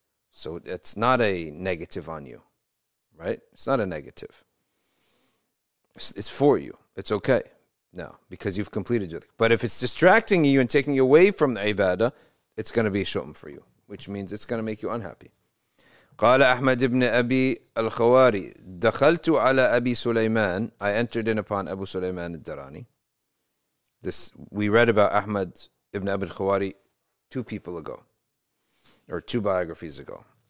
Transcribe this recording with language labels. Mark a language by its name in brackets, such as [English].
[English] So it's not a negative on you. Right? It's not a negative. It's for you. It's okay. No, because you've completed your dhikr. But if it's distracting you and taking you away from the ibadah, it's going to be shum for you. Which means it's going to make you unhappy. [Arabic] قال أحمد بن أبي الخواري دخلت على أبي سليمان [English] I entered in upon Abu Sulaiman al-Darani. This we read about Ahmad ibn Abi al-Khawari two people ago, or two biographies ago.